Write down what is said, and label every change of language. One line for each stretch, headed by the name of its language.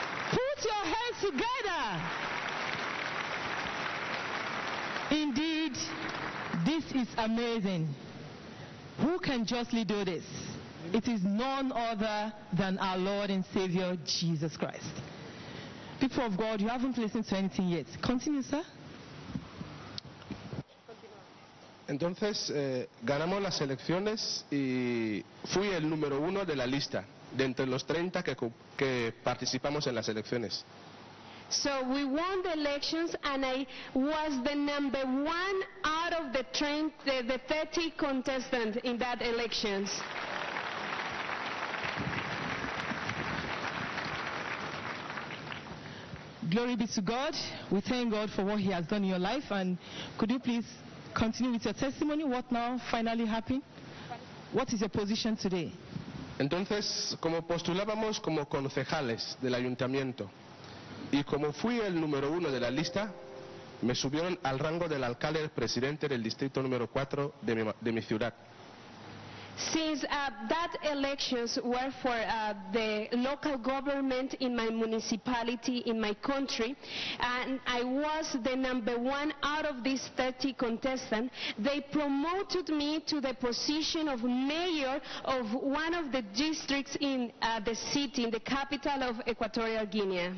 English: Put your hands together. Indeed, this is amazing. Who can justly do this? It is none other than our Lord and Savior, Jesus Christ. People of God, you haven't listened to anything yet. Continue, sir.
Spanish: Entonces ganamos las elecciones y fui el número uno de la lista de entre los 30 que participamos en las elecciones.
English: So we won the elections and I was the number one out of the 30 contestants in that elections. Glory be to God. We thank God for what He has done in your life. And could you please continue with your testimony. What now finally happened? What is your position today?
Spanish: Entonces, como postulábamos como concejales del ayuntamiento, y como fui el número uno de la lista, me subieron al rango del alcalde presidente del distrito número 4 de mi ciudad.
English: Since that elections were for the local government in my municipality, in my country, and I was the number one out of these 30 contestants, they promoted me to the position of mayor of one of the districts in the city, in the capital of Equatorial Guinea.